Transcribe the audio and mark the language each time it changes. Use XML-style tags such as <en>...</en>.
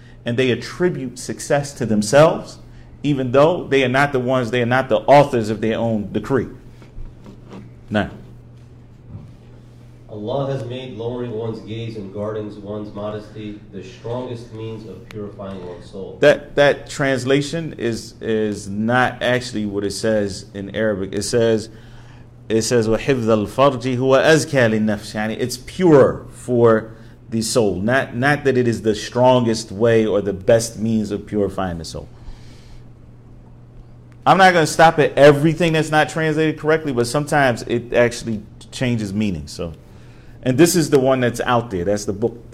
<en>And they attribute success to themselves, even though they are not the ones, they are not the authors of their own decree. Now, Allah has made lowering one's gaze and guarding one's modesty the strongest means of purifying one's soul. That translation is not actually what it says in Arabic. It says</en> <ar>وحفظ الفرج هو أزكى للنفس.</ar> <en>يعني it's pure for the soul. Not that it is the strongest way or the best means of purifying the soul. I'm not going to stop at everything that's not translated correctly, but sometimes it actually changes meaning. So, and this is the one that's out there. That's the book.</en>